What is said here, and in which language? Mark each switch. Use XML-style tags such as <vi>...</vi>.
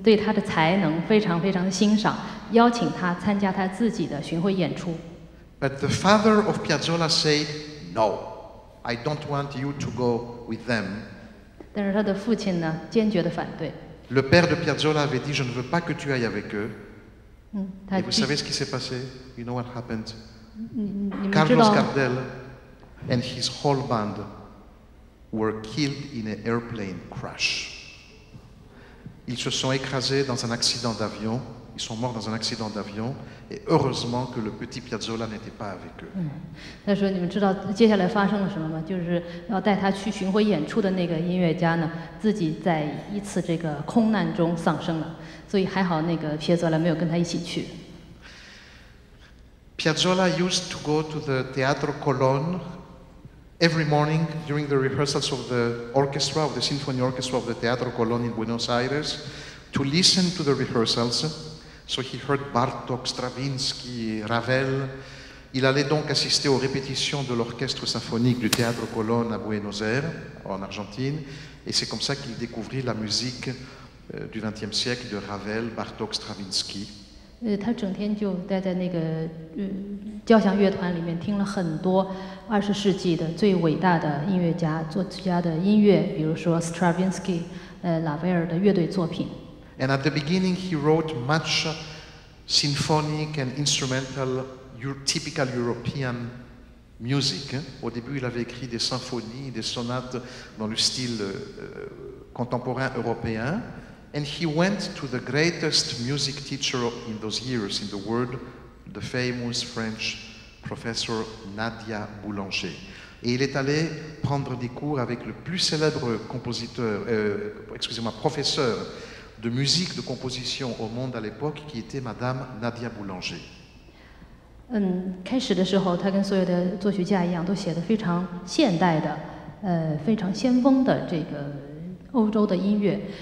<zh>对他的才能非常非常的欣赏，邀请他参加他自己的巡回演出。</zh> <en>But the father of Piazzolla said. No, I don't want you to go with them.</en> <zh>但是他的父亲呢，坚决地反对。</zh> <fr>Le père de Piazzolla avait dit, je ne veux pas que tu ailles avec eux. Et vous savez ce qui s'est passé?</fr> <en>You know what happened? Carlos Gardel and his whole band were killed in an airplane crash.</en> <fr>Ils se sont écrasés dans un accident d'avion. Ils sont morts dans un accident d'avion. Et heureusement que le petit Piazzolla n'était pas avec eux.</fr> <zh>他说：“你们知道接下来发生了什么吗？就是要带他去巡回演出的那个音乐家呢，自己在一次这个空难中丧生了。所以还好那个皮耶佐拉没有跟他一起去。”</zh> <en>Piazzolla used to go to the Teatro Colón every morning during the rehearsals of the orchestra of the symphony orchestra of the Teatro Colón in Buenos Aires to listen to the rehearsals. So he heard Bartók, Stravinsky, Ravel.</en> <fr>Il allait donc assister aux répétitions de l'orchestre symphonique du Théâtre Colón à Buenos Aires, en Argentine. Et c'est comme ça qu'il découvrit la musique du XXe siècle de Ravel, Bartók, Stravinsky.</fr> <zh>他整天就待在那个交响乐团里面，听了很多二十世纪的最伟大的音乐家、作曲家的音乐，比如说 Stravinsky、拉威尔的乐队作品。</zh> <en>And at the beginning, he wrote much symphonic and instrumental, typical European music.</en> <fr>Au début, il avait écrit des symphonies, des sonates dans le style contemporain européen.</fr> <en>And he went to the greatest music teacher in those years in the world, the famous French professor Nadia Boulanger.</en> <fr>Et il est allé prendre des cours avec le plus célèbre professeur. De musique de composition au monde à l'époque, qui était Madame Nadia Boulanger.</fr> <zh>开始的时候，他跟所有的作曲家一样，都写的非常现代的，非常先锋的这个欧洲的音乐。</zh>